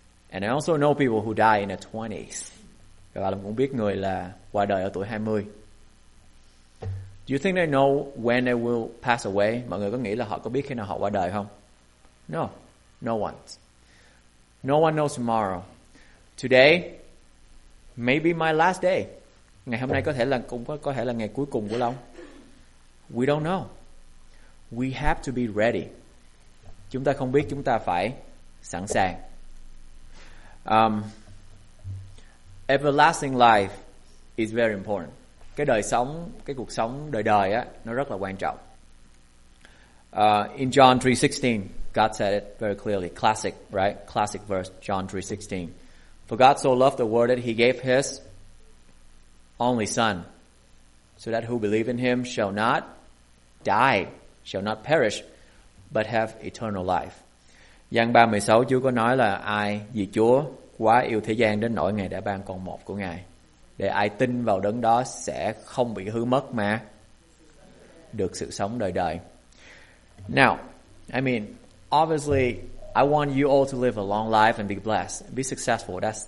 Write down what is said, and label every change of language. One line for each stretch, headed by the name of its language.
English: And I also know people who die in the 20s.
Vietnamese: Và Long cũng biết người là qua đời ở tuổi 20.
English: Do you think they know when they will pass away?
Vietnamese: Mọi người có nghĩ là họ có biết khi nào họ qua đời không?
English: No, no one. No one knows tomorrow. Today, maybe my last day.
Vietnamese: Ngày hôm nay có thể là ngày cuối cùng của Long.
English: We don't know. We have to be ready.
Vietnamese: Chúng ta không biết, chúng ta phải sẵn sàng.
English: Everlasting life is very important.
Vietnamese: Cái đời sống, cái cuộc sống đời đời á, nó rất là quan trọng.
English: In John 3:16, God said it very clearly. Classic, right? Classic verse, John 3:16. "For God so loved the world that He gave His only Son, so that who believe in Him shall not die, shall not perish, but have eternal life."
Vietnamese: Giăng 3:16, Chúa có nói là ai vì Chúa quá yêu thế gian đến nỗi Ngài đã ban con một của Ngài, để ai tin vào đấng đó sẽ không bị hư mất mà được sự sống đời đời.
English: Now, I mean, obviously, I want you all to live a long life and be blessed, be successful.